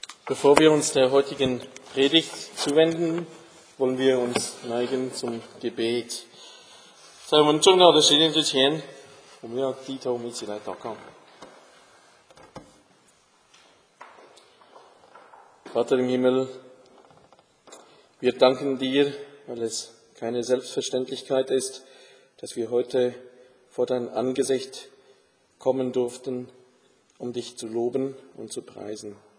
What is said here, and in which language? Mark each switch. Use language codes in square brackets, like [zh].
[de] Bevor wir uns der heutigen Predigt zuwenden, wollen wir uns neigen zum Gebet. [zh] 在我们重要的时间之前，我们要低头，我们一起来祷告。 [de] Vater im Himmel, wir danken dir, weil es keine Selbstverständlichkeit ist, dass wir heute vor dein Angesicht kommen durften, um dich zu loben und zu preisen.